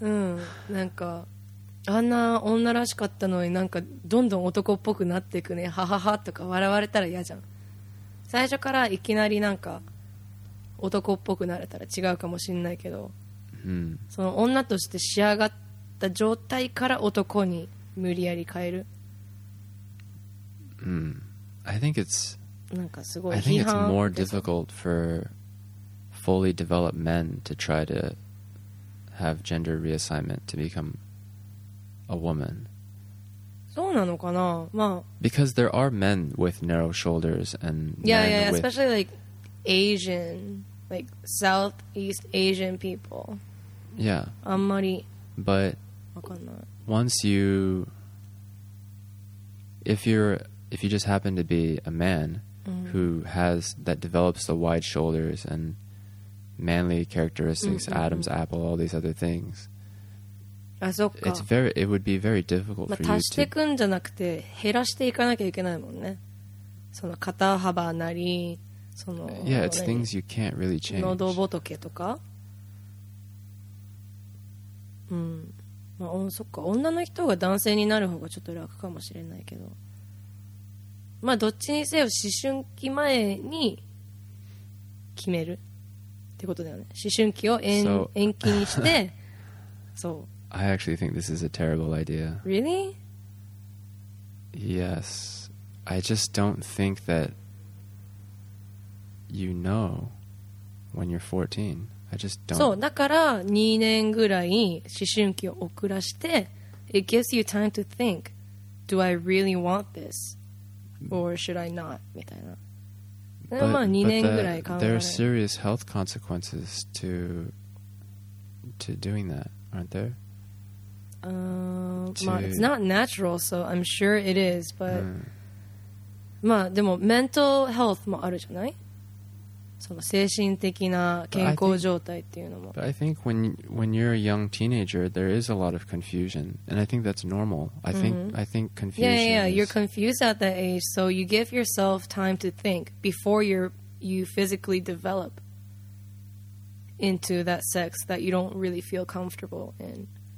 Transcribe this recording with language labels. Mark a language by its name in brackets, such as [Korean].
[Japanese] うん、なんかあんな女らしかったのになんかどんどん男っぽくなっていくね、ハハハとか笑われたら嫌じゃん。最初からいきなりなんか男っぽくなれたら違うかもしんないけど、うん、その女として仕上がった状態から男に無理やり変える、 [English] うん、I think it's [Japanese] なんかすごい [English] 批判、 I think it's more difficult for fully developed men to try to have gender reassignment to becomeA woman. [Japanese] そうなのかな、まあ、 [English] Because there are men with narrow shoulders and yeah, yeah, especially like Asian, like Southeast Asian people. Yeah. [Japanese] あんまり。 [English] But once you, if you just happen to be a man、mm-hmm. who has that develops the wide shoulders and manly characteristics,、mm-hmm. Adam's apple, all these other things. [Japanese] あ、そっか。 [English] It's very, it would be very difficult for you to... [Japanese] 足していくんじゃなくて減らしていかなきゃいけないもんね。その肩幅なり、その [English] yeah, it's things you can't really change. [Japanese] 喉仏とか、うん、まあ、そっか、女の人が男性になる方がちょっと楽かもしれないけど、まあどっちにせよ思春期前に決めるってことだよね。思春期を延期にしてそう、 [English] I actually think this is a terrible idea. Really? Yes. I just don't think that you know when you're 14. I just don't. [Japanese] そう、だから2年ぐらい思春期を遅らして、 [English] it gives you time to think, do I really want this? Or should I not? [Japanese] みたいな。でもまあ2年ぐらい考える。 [English] There are serious health consequences to doing that, aren't there? まあ、it's not natural, so I'm sure it is, but、 [Japanese] うん、まあでも [English] mental health [Japanese] もあるじゃない？その精神的な健康状態っていうのも。 [English] But I think when you're a young teenager, there is a lot of confusion, and I think that's normal. I think confusion. Yeah, yeah, you're confused at that age, so you give yourself time to think before you physically develop into that sex that you don't really feel comfortable in.